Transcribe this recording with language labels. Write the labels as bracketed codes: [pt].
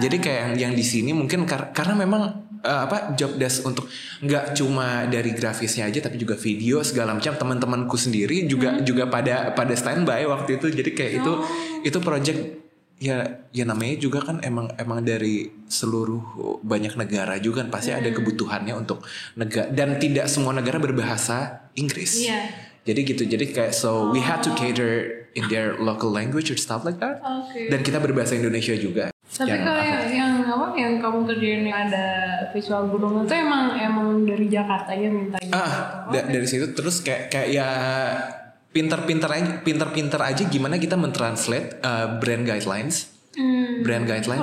[id] Jadi kayak yang di sini mungkin karena memang job desk untuk nggak cuma dari grafisnya aja tapi juga video segala macam, teman-temanku sendiri juga pada standby waktu itu. Jadi kayak itu project ya ya namanya juga kan emang emang dari seluruh banyak negara juga kan pasti ada kebutuhannya untuk negara, dan tidak semua negara berbahasa Inggris. Iya. Yeah. [en] Jadi gitu, jadi kayak so we had to cater in their local language or stuff like that. Oke. Okay. [id] Dan kita berbahasa Indonesia juga. Tapi yang kalau apa? yang kamu kerjain yang ada visual gunung itu emang dari Jakarta ya mintanya? Ah, okay. Dari situ terus kayak ya pinter-pinter aja gimana kita mentranslate brand guidelines. Brand guidelines.